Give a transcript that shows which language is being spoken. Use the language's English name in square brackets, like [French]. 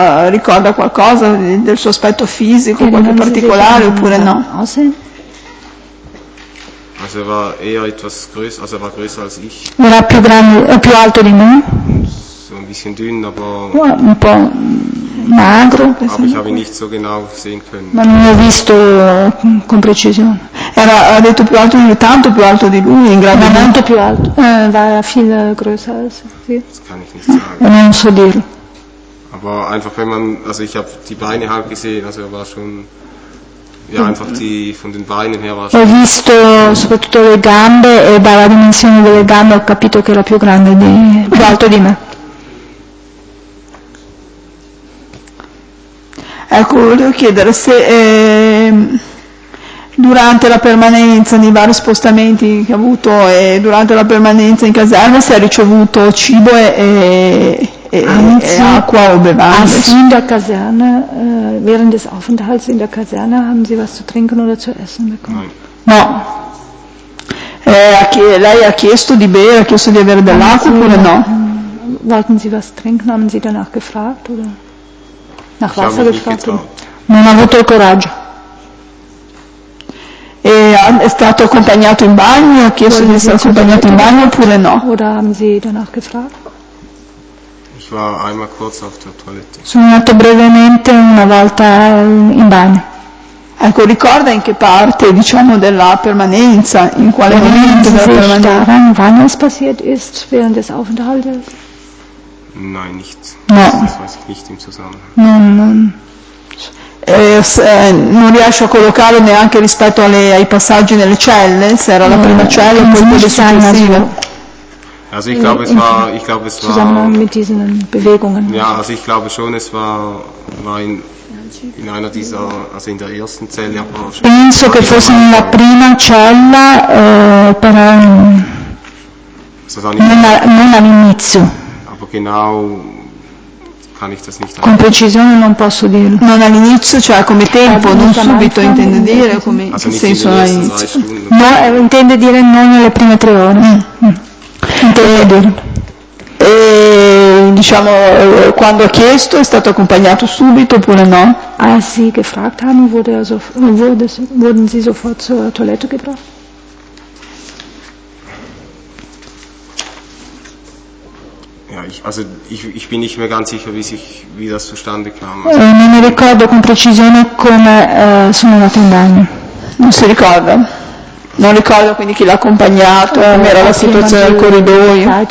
[Italian] Ricorda qualcosa del suo aspetto fisico, qualche particolare oppure no? [German] Also er war eher etwas größer, also er war größer als ich. [Italian] Era più grande, più alto di me. [German] So ein bisschen dünn, aber [Italian] un po' magro. [German] Aber ich habe ihn nicht so genau sehen können. [Italian] Ma non ho visto con precisione. Era, ha detto più alto di lui, tanto più alto di lui, in grado. Ma di tanto lui. Più alto. [German] War viel größer als ich. Das kann ich nicht sagen. [Italian] Non so dirlo. [German] Aber einfach wenn man, also ich habe die Beine halb gesehen, also er war schon. [Italian] Ho visto soprattutto le gambe e dalla dimensione delle gambe ho capito che era più grande di, più alto di me. Ecco, volevo chiedere se durante la permanenza nei vari spostamenti che ha avuto e durante la permanenza in caserma si è ricevuto cibo e acqua o bevande. [German] Ah, in der Kaserne, während des Aufenthalts in der Kaserne, haben Sie was zu trinken oder zu essen bekommen? [Italian] No. Lei ha chiesto di bere, ha chiesto di avere dell'acqua oppure no? [German] Wollten Sie was trinken? Haben Sie danach gefragt oder nach Wasser gefragt? [Italian] Non ha avuto il coraggio. È stato accompagnato in bagno? Ha chiesto di essere accompagnato in bagno oppure no? [German] Oder haben Sie danach gefragt? [Italian] Sono andato brevemente una volta in bagno. Ecco, ricorda in che parte, diciamo, della permanenza, in quale momento della permanenza? [German] Wann es passiert ist während des Aufenthalts? Nein, nicht. [Italian] No. [German] Das weiß ich nicht im Zusammenhang. [Italian] Non. Non riesco a collocarlo neanche rispetto ai passaggi nelle celle, se era la prima cella o poi quelle successive. [German] Also ich glaube, Zusammenhang mit diesen Bewegungen. Ja, also ich glaube schon, es war in einer dieser, also in der ersten Zelle. [Italian] Penso che fosse nella prima cella, però non all'inizio. [German] Aber genau kann ich das nicht. [Italian] Con precisione non posso dirlo. Non all'inizio, cioè come tempo, non subito intende dire, come in senso all'inizio. No, intende dire non nelle prime tre ore. E diciamo quando ha chiesto è stato accompagnato subito oppure no? Ah sì, che [German] gefragt haben wurde also wurden sie sofort zur Toilette gebracht? Ja, ich bin nicht mehr ganz sicher, wie das zustande kam. [Italian] Non mi ricordo con precisione come sono andato in bagno. Non si ricorda. Non ricordo quindi chi l'ha accompagnato, com'era la situazione del corridoio.